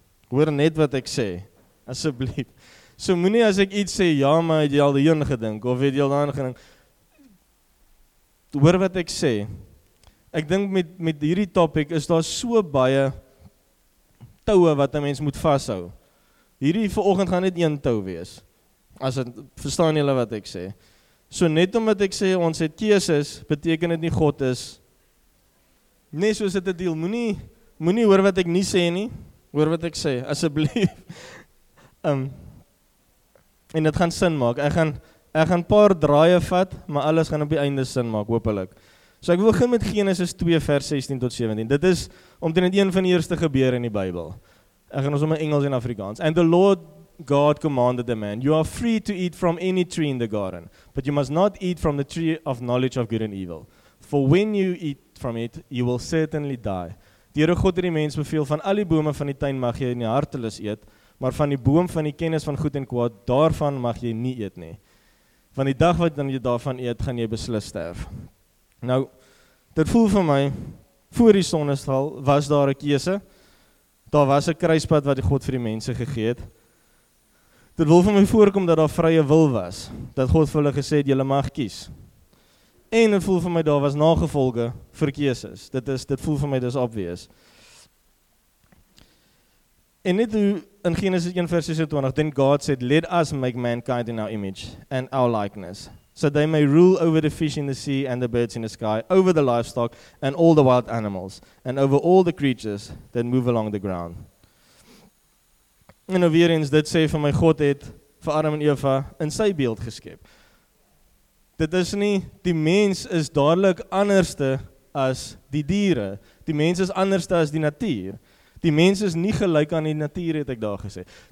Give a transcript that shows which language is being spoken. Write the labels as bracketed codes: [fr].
[af] Hoor net wat ek sê, asseblief. So moenie as ek iets sê, ja, maar het jy al hierin gedink, of het jy al daarin gedink. Hoor wat ek sê. Ek dink met hierdie topic is daar so baie toue wat 'n mens moet vashou. Hierdie vanoggend gaan net een tou wees. As het, verstaan julle wat ek sê? So net omdat ek sê ons het keuses, beteken dit nie God is. Net soos dit 'n deal. Moenie hoor wat ek nie sê nie. Hoor wat ek sê, asseblief. En dit gaan sin maak. Ek gaan 'n paar draaie vat, maar alles gaan op die einde sin maak, hoopelik. So ek wil begin met Genesis 2 vers 16 tot 17. Dit is omtrent een van die eerste gebeure in die Bybel. Ek gaan ons om in Engels en Afrikaans. [en] And the Lord God commanded the man, you are free to eat from any tree in the garden, but you must not eat from the tree of knowledge of good and evil. For when you eat from it, you will certainly die. [af] Die Here God het die mens beveel, van al die bome van die tuin mag jy in die hartelus eet, maar van die boom van die kennis van goed en kwaad, daarvan mag jy nie eet nie. Van die dag wat jy daarvan eet, gaan jy beslis sterf. Nou, dit voel vir my, voor die sonnestal was daar 'n keuse. Daar was 'n kruispad wat die God vir die mense gegee het. Dit wil vir my voorkom dat daar vrye wil was. Dat God vir hulle gesê het, julle mag kies. En dit voel vir my, daar was nagevolge vir keuses. Dit voel vir my, dis obvious. En net hoe, in Genesis 1 vers 26, [en] then God said, let us make mankind in our image and our likeness, so they may rule over the fish in the sea and the birds in the sky, over the livestock and all the wild animals, and over all the creatures that move along the ground. [af] En nou weer eens, dit sê vir my, God het vir Adam en Eva in sy beeld geskep. Dit is nie, die mens is dadelik anderste as die diere. Die mens is anderste as die natuur. Die mens is nie gelyk aan die natuur, het ek daar gesê.